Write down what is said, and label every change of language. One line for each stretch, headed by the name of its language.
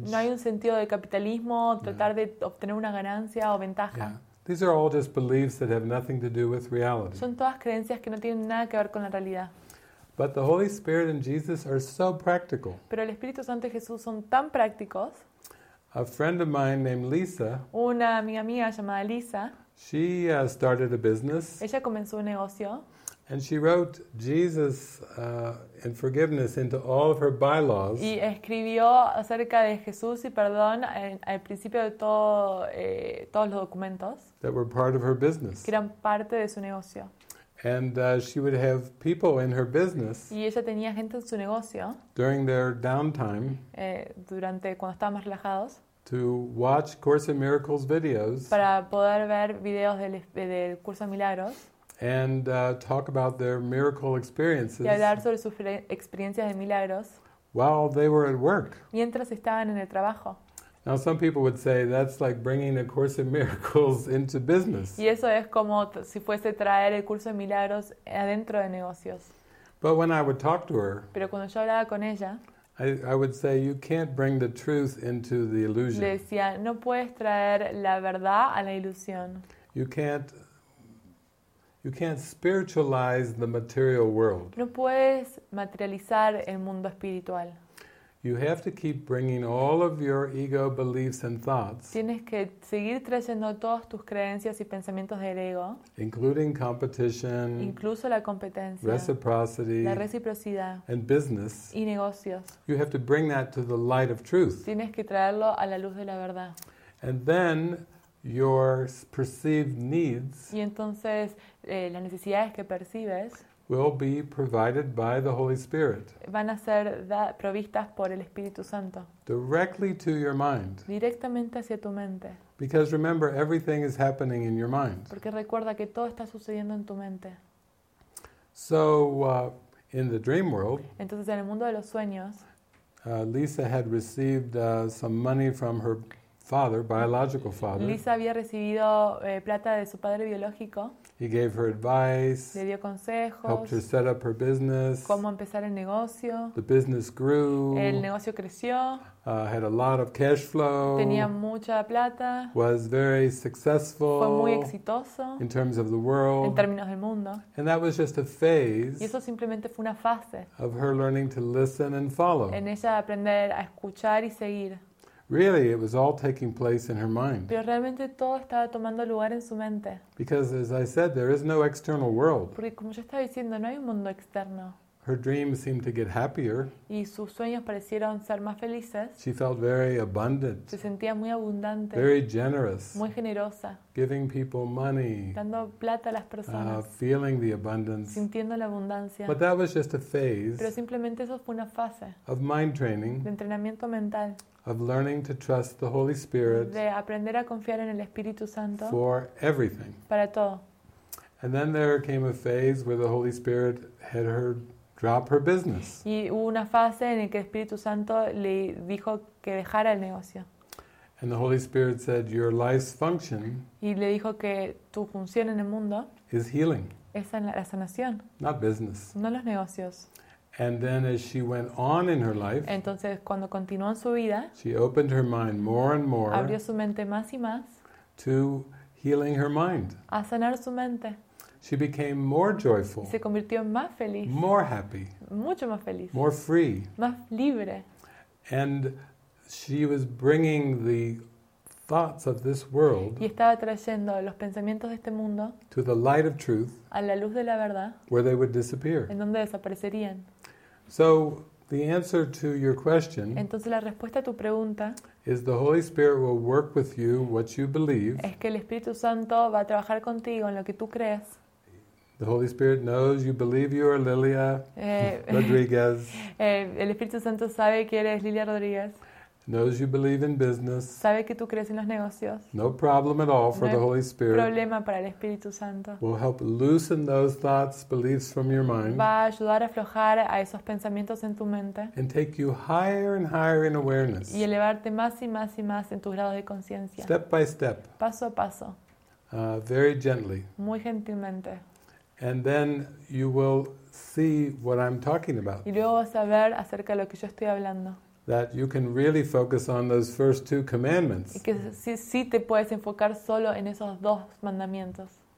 Spanish: No hay un sentido de capitalismo, tratar de obtener una ganancia o ventaja.
English: Yeah. These are all just beliefs that have nothing to do with reality.
Spanish: Son todas creencias que no tienen nada que ver con la realidad.
English: But the Holy Spirit and Jesus are so practical.
Spanish: Pero el Espíritu Santo y Jesús son tan prácticos.
English: A friend of mine named Lisa.
Spanish: Una amiga mía llamada Lisa.
English: She started a business.
Spanish: Ella comenzó un negocio.
English: And she wrote Jesus and forgiveness into all of her bylaws.
Spanish: Y escribió acerca de Jesús y perdón al principio de todo todos los documentos.
English: That were part of her business.
Spanish: Que eran parte de su negocio.
English: And she would have people in her business.
Spanish: Y ella tenía gente en su negocio.
English: During their downtime.
Spanish: Durante cuando estaban más relajados.
English: To watch Course in Miracles videos.
Spanish: Para poder ver videos del Curso de Milagros.
English: And talk about their miracle experiences.
Spanish: Y hablar sobre sus experiencias de milagros.
English: While they were at work.
Spanish: Mientras estaban en el trabajo.
English: Now some people would say that's like bringing a Course in Miracles into business.
Spanish: Y eso es como si fuese traer el Curso de Milagros adentro de negocios.
English: But when I would talk to her.
Spanish: Pero cuando yo hablaba con ella.
English: I would say you can't bring the truth into the illusion.
Spanish: Le decía, no puedes traer la verdad a la ilusión.
English: You can't spiritualize the material world.
Spanish: No puedes materializar el mundo espiritual.
English: You have to keep bringing all of your ego beliefs and thoughts.
Spanish: Tienes que seguir trayendo todas tus creencias y pensamientos del ego.
English: Including competition.
Spanish: Incluso la competencia.
English: Reciprocity.
Spanish: La reciprocidad.
English: And business.
Spanish: Y negocios.
English: You have to bring that to the light of truth.
Spanish: Tienes que traerlo a la luz de la verdad.
English: And then your perceived needs.
Spanish: Y entonces las necesidades que percibes
English: will be provided by the Holy Spirit.
Spanish: Van a ser provistas por el Espíritu Santo.
English: Directly to your mind.
Spanish: Directamente hacia tu mente.
English: Because remember, everything is happening in your mind.
Spanish: Porque recuerda que todo está sucediendo en tu mente.
English: So in the dream world.
Spanish: Entonces en el mundo de los sueños.
English: Lisa had received some money from her father, biological father.
Spanish: Lisa había recibido plata de su padre biológico.
English: He gave her advice.
Spanish: Le dio consejos.
English: Helped her set up her business.
Spanish: Cómo empezar el negocio.
English: The business grew.
Spanish: El negocio creció.
English: Had a lot of cash flow.
Spanish: Tenía mucha plata.
English: Was very successful.
Spanish: Fue muy exitoso.
English: In terms of the world.
Spanish: En términos del mundo.
English: And that was just a phase.
Spanish: Y eso simplemente fue una fase.
English: Of her learning to listen and follow.
Spanish: En ella aprender a escuchar y seguir.
English: Really, it was all taking place in her mind.
Spanish: Pero realmente todo estaba tomando lugar en su mente.
English: Because, as I said, there is no external world.
Spanish: Porque como yo estaba diciendo, no hay un mundo externo.
English: Her dreams seemed to get happier.
Spanish: Y sus sueños parecieron ser más felices.
English: She felt very abundant.
Spanish: Se sentía muy abundante.
English: Very generous.
Spanish: Muy generosa.
English: Giving people money.
Spanish: Dando plata a las personas.
English: Feeling the abundance.
Spanish: Sintiendo la abundancia.
English: But that was just a phase.
Spanish: Pero simplemente eso fue una fase.
English: Of mind training.
Spanish: De entrenamiento mental.
English: Of learning to trust the Holy Spirit.
Spanish: De aprender a confiar en el Espíritu Santo.
English: For everything.
Spanish: Para todo.
English: And then there came a phase where the Holy Spirit had her drop her business.
Spanish: Y hubo una fase en la que el Espíritu Santo le dijo que dejara el negocio.
English: And the Holy Spirit said, "Your life's function."
Spanish: Y le dijo que tu función en el mundo.
English: Is healing.
Spanish: Es la sanación.
English: Not business.
Spanish: No los negocios.
English: And then as she went on in her life,
Spanish: entonces, cuando continuó en su vida,
English: she opened her mind more and more,
Spanish: abrió su mente más y más,
English: to healing her mind.
Spanish: A sanar su mente.
English: She became more joyful.
Spanish: Se convirtió en más feliz.
English: More happy.
Spanish: Mucho más feliz.
English: More free.
Spanish: Más libre.
English: And she was bringing the thoughts of this world,
Spanish: y estaba trayendo los pensamientos de este mundo,
English: to the light of truth,
Spanish: a la luz de la verdad,
English: where they would disappear,
Spanish: en donde desaparecerían.
English: So the answer to your question,
Spanish: entonces la respuesta a tu pregunta,
English: is the Holy Spirit will work with you what you believe.
Spanish: Es que el Espíritu Santo va a trabajar contigo en lo que tú crees.
English: The Holy Spirit knows you believe you are Lilia Rodriguez.
Spanish: El Espíritu Santo sabe que eres Lilia Rodriguez.
English: Knows you believe in business.
Spanish: Sabe que tú crees en los negocios.
English: No problem at all for
Spanish: no
English: the Holy Spirit.
Spanish: Problema para el Espíritu Santo.
English: Will help loosen those thoughts, beliefs from your mind.
Spanish: Va a ayudar a aflojar a esos pensamientos en tu mente.
English: And take you higher and higher in awareness.
Spanish: Y elevarte más y más y más en tus grados de conciencia.
English: Step by step.
Spanish: Paso a paso.
English: Very gently.
Spanish: Muy gentilmente.
English: And then you will see what I'm talking about.
Spanish: Y luego vas a ver acerca de lo que yo estoy hablando.
English: that you can really focus on those first two commandments.
Spanish: Y que sí te puedes enfocar solo en esos dos mandamientos.